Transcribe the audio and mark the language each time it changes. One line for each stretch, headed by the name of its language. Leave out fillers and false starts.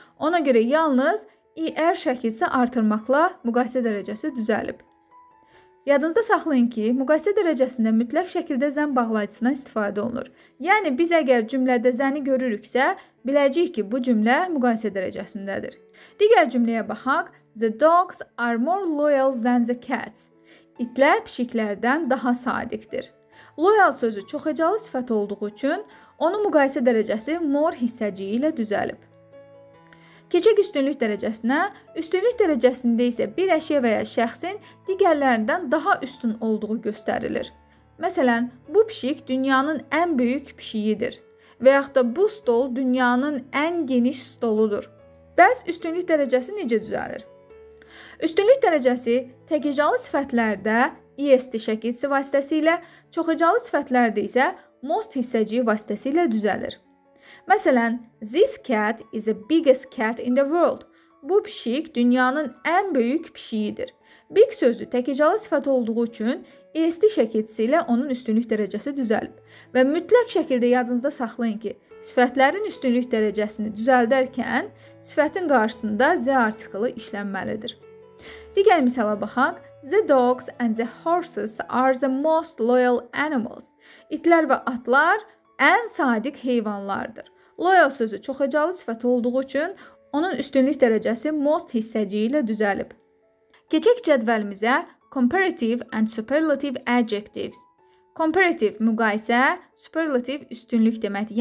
Azerbaijani: Ona görə yalnız IR şəkilsi artırmaqla müqayisə dərəcəsi düzəlib. Yadınızda saxlayın ki, müqayisə dərəcəsində mütləq şəkildə zən bağlayıcısından istifadə olunur. Yəni, biz əgər cümlədə zəni görürüksə, biləcəyik ki, bu cümlə müqayisə dərəcəsindədir. Digər cümləyə baxaq.
English: The dogs are more loyal than the cats.
Azerbaijani: İtlər pişiklərdən daha sadiqdir. Loyal sözü çoxəcəli sifət olduğu üçün onun müqayisə dərəcəsi more hissəciyi ilə düzəlib. Keçək üstünlük dərəcəsinə. Üstünlük dərəcəsində isə bir əşya və ya şəxsin digərlərindən daha üstün olduğu göstərilir. Məsələn, bu pişik dünyanın ən böyük pişiyidir və yaxud da bu stol dünyanın ən geniş stoludur. Bəs üstünlük dərəcəsi necə düzəlir? Üstünlük dərəcəsi təkəcəli sifətlərdə EST şəkilsi vasitəsilə, çoxəcəli sifətlərdə isə MOST hissəciyi vasitəsilə düzəlir.
English: Məsələn, this cat is the biggest cat in the world.
Azerbaijani: Bu pişik dünyanın ən böyük pişiyidir. Big sözü təkicalı sifat olduğu üçün est şəkilçisiylə onun üstünlük dərəcəsi düzəlib. Və mütləq şəkildə yadınızda saxlayın ki, sifətlərin üstünlük dərəcəsini düzəldərkən sifətin qarşısında z artikli işlənməlidir. Digər misala baxaq.
English: The dogs and the horses are the most loyal animals.
Azerbaijani: İtlər və atlar ən sadiq heyvanlardır. Loyal sözü çoxacalı sifət olduğu üçün onun üstünlük dərəcəsi most hissəciyi ilə düzəlib. Keçək cədvəlimizə
English: comparative and superlative adjectives.
Azerbaijani: Comparative müqayisə, superlative üstünlük deməkdir.